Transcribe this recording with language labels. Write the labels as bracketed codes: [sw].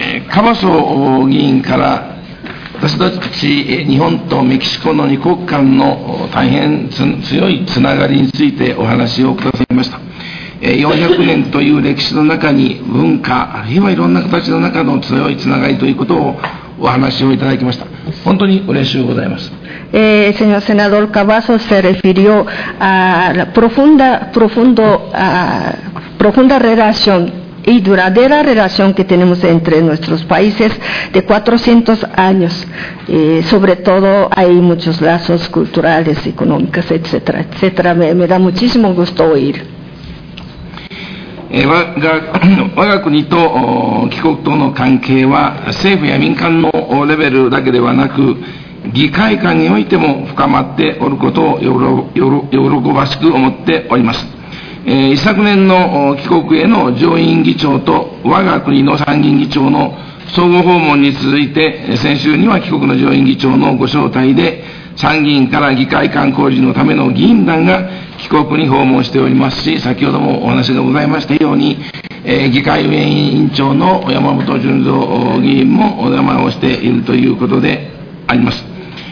[ja] カバソ議員から私たち日本とメキシコの二国間の大変強いつながりについてお話をくださいました。 400年という歴史の中に文化あるいはいろんな形の中の強いつながりということをお話をいただきました。本当に嬉しいございます。 [es] Señor senador Cavazos se refirió a la profunda, profundo, profunda relación y duradera relación que tenemos entre nuestros países de 400 años. Sobre todo hay muchos lazos culturales, económicos, etcétera, etcétera. Me da muchísimo gusto oír. [ja] 我が国と帰国との関係は政府や民間のレベルだけではなく議会間においても深まっておることを喜ばしく思っております。一昨年の帰国への上院議長と我が国の参議院議長の相互訪問に続いて先週には帰国の上院議長のご招待で参議院から議会間交流のための議員団が帰国に訪問しておりますし、先ほどもお話がございましたように、議会運営委員長の山本順三議員もお邪魔をしているということであります。